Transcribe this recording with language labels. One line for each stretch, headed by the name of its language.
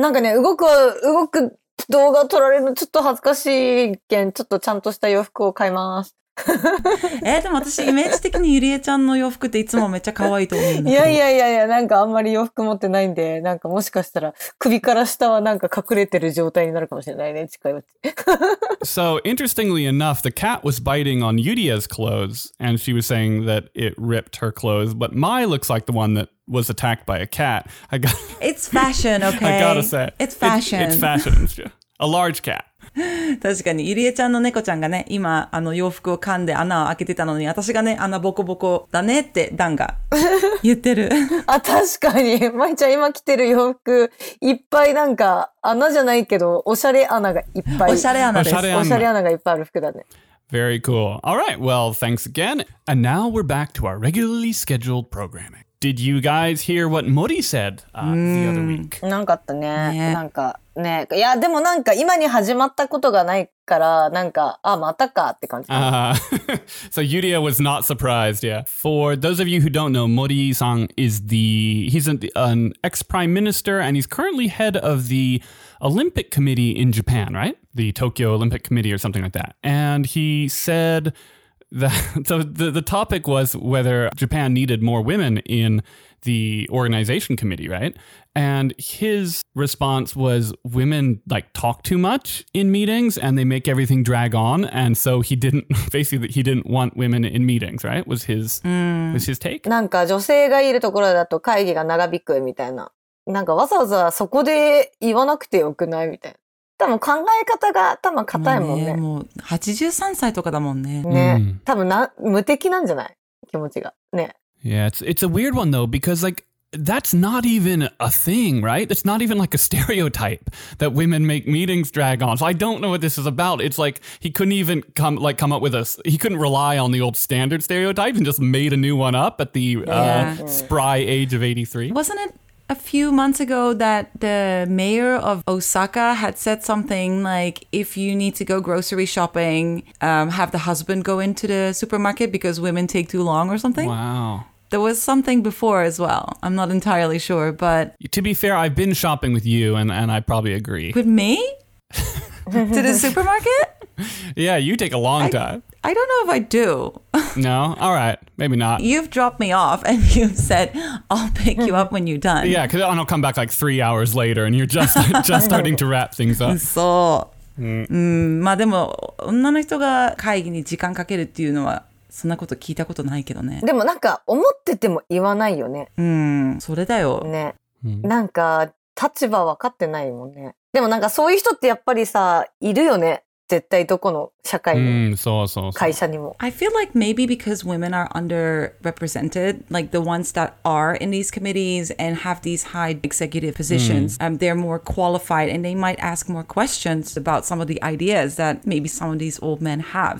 Japanese: なんかね、動く動画撮られるのちょっと恥ずかしいけん、ちょっとちゃんとした洋服を買います。でも私イメージ的にゆりえちゃんの洋服っていつもめっちゃ可愛いと思うんだけど、いやなんかあんまり洋服持ってないんで、なんかもしかしたら首から下はなんか隠れてる状態になるかもしれないね、近いうち。
English: So interestingly enough, the cat was biting on Yuria's clothes and she was saying that it ripped her clothes, but Mai looks like the one that was attacked by a cat. It's fashion, okay? I gotta say. It's fashion. It's fashion. A large cat.
Japanese: 確かにゆりえちゃんの猫ちゃんがね、今洋服を噛んで穴を開けてたのに、私がね、穴ボコボコだねってダンが言ってる。あ、確かにまいちゃん今着てる洋服いっぱいなんか穴じゃないけど、おしゃれ穴がいっぱい。おしゃれ穴です。おしゃれ穴がいっぱいある服だね。
English: Very cool. All right, well, thanks again. And now we're back to our regularly scheduled programming. Did you guys hear what Mori said the other week?
Japanese: なんかあったね、なんかね、いやでもなんか今に始まったことがないからなんか、あ、またかって感じ。
English: So Yuria was not surprised, yeah. For those of you who don't know, Mori-san is an ex-prime minister and he's currently head of the Olympic Committee in Japan, right? The Tokyo Olympic Committee or something like that. And he said that, so the topic was whether Japan needed more women in the organization committee, right? And his response was women like talk too much in meetings and they make everything drag on. And so he didn't, basically he didn't want women in meetings, right? Was his take.
Japanese: なんか女性がいるところだと会議が長引くみたいな。なんかわざわざそこで言わなくてよくないみたいな。多分考え方が多分固いもんね。もう83歳とかだもんね。ね。多分な無敵なんじゃない気持ちが。ね。
English: Yeah, it's a weird one though, because like,That's not even a thing, right? That's not even like a stereotype that women make meetings drag on. So I don't know what this is about. It's like he couldn't even come up with a... He couldn't rely on the old standard stereotypes and just made a new one up at the spry age of 83. Wasn't it a few months ago that the mayor of Osaka had said something like, if you need to go grocery shopping, have the husband go into the supermarket because women take too long or something? Wow. There was something before as well. I'm not entirely sure, but... To be fair, I've been shopping with you, and I probably agree. With me? To the supermarket? Yeah, you take a long time. I don't know if I do. No? All right. Maybe not. You've dropped me off, and you've said, I'll pick you up when you're done. Yeah, because I'll come back like 3 hours later, and you're just starting to wrap things up. So...
Japanese: まあでも、女の人が会議に時間かけるっていうのは、そんなこと聞いたことないけどね。でもなんか思ってても言わないよね。うん、それだよ。ね。なんか立場分かってないもんね。でもなんかそういう人ってやっぱりさ、いるよね。絶対どこの社会にも。うん、そうそうそう。会社にも。
English: I feel like maybe because women are underrepresented, like the ones that are in these committees and have these high executive positions,they're more qualified and they might ask more questions about some of the ideas that maybe some of these old men have.